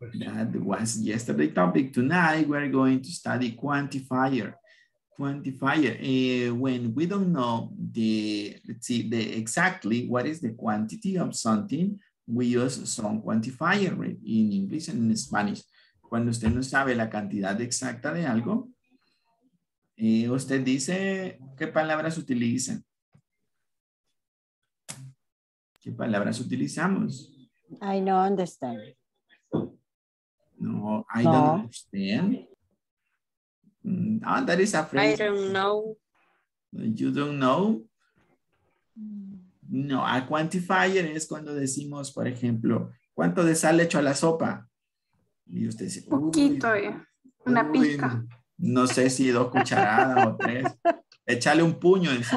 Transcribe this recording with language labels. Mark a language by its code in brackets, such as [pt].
[en] That was yesterday topic. Tonight, we're going to study quantifier. Quantifier, when we don't know exactly what is the quantity of something, we use some quantifier, right? In English and in Spanish. [es] Cuando usted no sabe la cantidad exacta de algo, usted dice, ¿qué palabras utilizan? ¿Qué palabras utilizamos? [en] I no understand. No, I don't understand. Oh, that is a phrase. I don't know. You don't know? [es] No, a quantifier es cuando decimos, por ejemplo, ¿cuánto de sal le echo a la sopa? Y usted dice, poquito, una pizca. No sé si dos cucharadas o tres. Échale un puño.